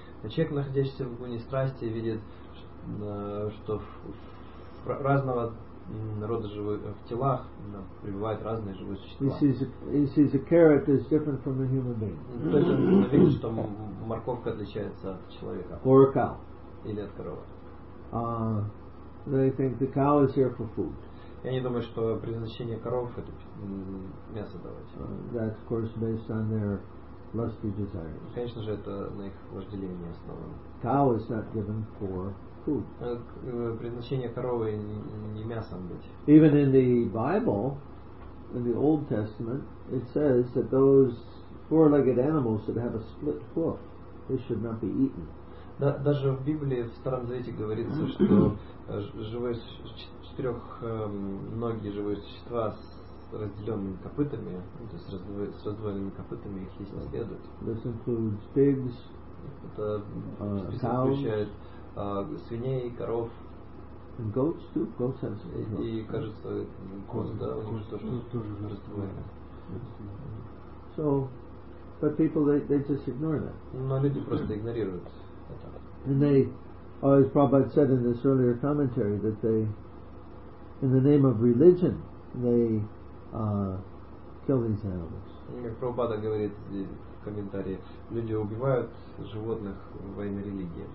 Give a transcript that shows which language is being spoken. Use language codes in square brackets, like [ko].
[ru] Человек, находящийся в гуне страсти, видит, что разного народа живых в телах пребывают разные живые существа. [en] He sees a carrot is different from a human being. [ru] То есть он видит, что морковка отличается от человека. [en] Or a cow. [ru] Или от коровы. [en] They think the cow is here for food. [ru] Я не думаю, что предназначение коров это мясо давать. [en] That of course based on their lusty desires. [ru] Конечно же, это на их вожделении основано. [en] Cow is not given for [ru] предназначение коровы не мясом быть. [en] Even in the Bible, in the Old Testament, it says that those four-legged animals that have a split hoof, they should not be eaten. [ru] Даже в Библии в Старом Завете говорится, что живые четырехногие живые существа с разделенными копытами, то есть с раздвоенными копытами, их есть не следует. [en] This includes pigs, cows. [ru] Свиней, коров. [en] And goats too. Goats have [ru] и [en] goats. [ru] Кажется, коз, да, у них тоже раздвоение. [en] So, but people they just ignore that. [ru] Но люди просто игнорируют [en] And they, as Prabhupada said in this earlier commentary, that they, in the name of religion, they kill these animals. [ru] Как Прабхупада говорит в комментарии, люди убивают животных во имя религии.